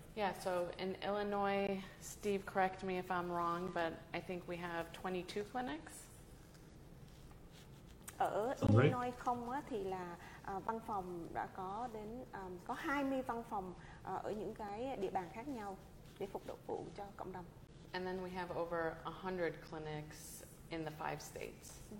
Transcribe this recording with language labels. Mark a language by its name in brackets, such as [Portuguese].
[English] Yeah, so in Illinois, Steve, correct me if I'm wrong, but I think we have 22 clinics. [Vietnamese] Ở Illinois không á thì là văn phòng đã có đến có 20 văn phòng ở những cái địa bàn khác nhau để phục vụ cho cộng đồng. [English] And then we have over 100 clinics in the five states.